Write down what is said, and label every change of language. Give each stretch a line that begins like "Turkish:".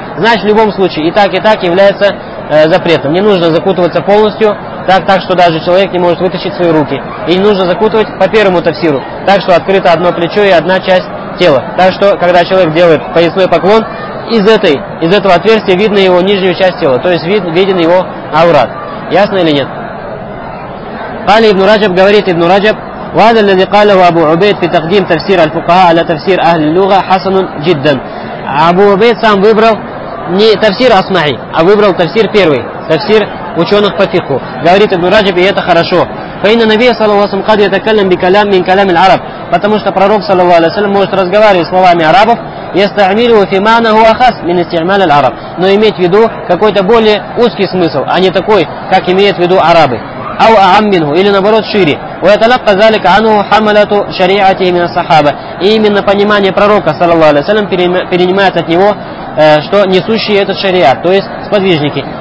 Russian: Значит, в любом случае, и так является запретом. Не нужно закутываться полностью, так что даже человек не может вытащить свои руки. И не нужно закутывать по первому тафсиру, так что открыто одно плечо и одна часть тела. Так что, когда человек делает поясной поклон, из этого отверстия видно его нижнюю часть тела, то есть виден его аурат. Ясно или нет? Али ибн Раджаб говорит, ибн Раджаб,
Arabic: وَهَذَا الَّذِي قَالَهُ أَبُو عُبَيْدٍ فِي تَقْدِيمِ تَفْسِيرَ الْفُقَهَا عَلَى تَفْسِيرِ أَهْلِ اللُّغَةِ حَسَنٌ جِدًّا.
Russian: Абу Убейд сам выбрал не тафсир Асмаи, а выбрал тафсир первый, тафсир ученых по фикху. Говорит ибн Раджаб, и это хорошо.
Arabic: فَإِنَّ النَّبِيَّ صَلَّى اللَّهُ عَلَيْهِ وَسَلَّمَ قَدْ يَتَكَلَّمُ بِكَلَامٍ مِنْ كَلَامِ الْعَرَبِ,
Russian: потому что пророк саллаллаху алейхи ва саллям может разговаривать словами арабов.
Arabic: يَسْتَعْمِلُهُ فِي مَعْنَاهُ أَخَصّ مِنْ اسْتِعْمَالِ الْعَرَبِ,
Russian: но иметь в виду какой-то более узкий смысл, а не такой, как имеют в виду арабы.
Arabic: أو أعم منه,
Russian: или наоборот шире.
Arabic: ويتلقى ذلك عنه حملة شريعته من الصحابة,
Russian: и именно понимание пророка саллаллаху алейхи ва саллям перенимает от него, что несущие этот шариат, то есть сподвижники.